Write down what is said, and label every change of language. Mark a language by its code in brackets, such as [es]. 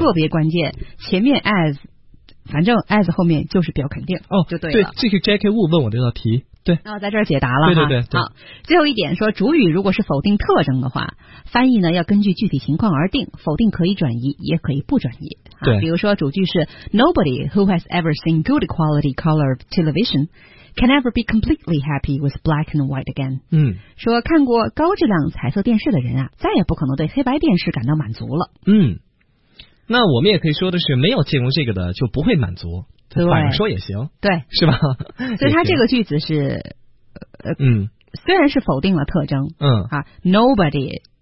[zh] 特别关键。前面 as， 反正 as 后面就是比较肯定，哦，就对了。对，这是 J.K. Wu 问我这道题。对，那我在这儿解答了哈。对对对。好，最后一点说，主语如果是否定特征的话，翻译呢要根据具体情况而定，否定可以转移，也可以不转移。对，比如说主句是 [en] Nobody who has ever seen good quality color television can ever be completely happy with black and white again。 [zh] 说看过高质量彩色电视的人啊，再也不可能对黑白电视感到满足了。那我们也可以说的是，没有见过这个的就不会满足。对，反正说也行，对，是吧？所以他这个句子是，虽然是否定了特征，nobody